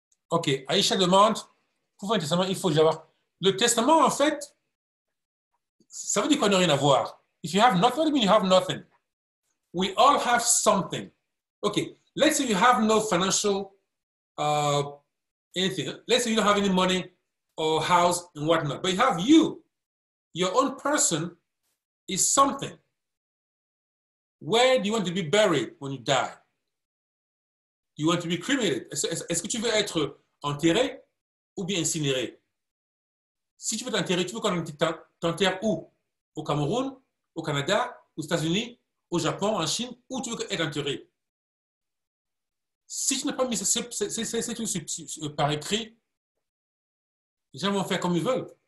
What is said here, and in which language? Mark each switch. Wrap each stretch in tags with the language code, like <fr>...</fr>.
<fr>Ok, Aïcha demande, pour faire un testament, il faut que j'avoir... Le testament, en fait, ça veut dire qu'on n'a rien à voir.</fr> <en>If you have nothing, what do you mean you have nothing? We all have something. Ok, let's say you have no financial anything. Let's say you don't have any money or house and whatnot. But you have you. Your own person is something. Where do you want to be buried when you die? You want to be cremated.</en> <fr>Est-ce que tu veux être enterré ou bien incinéré? Si tu veux t'enterrer, tu veux qu'on t'enterre où? Au Cameroun, au Canada, aux États-Unis, au Japon, en Chine, où tu veux être enterré? Si tu n'as pas mis ces trucs par écrit, les gens vont faire comme ils veulent.</fr>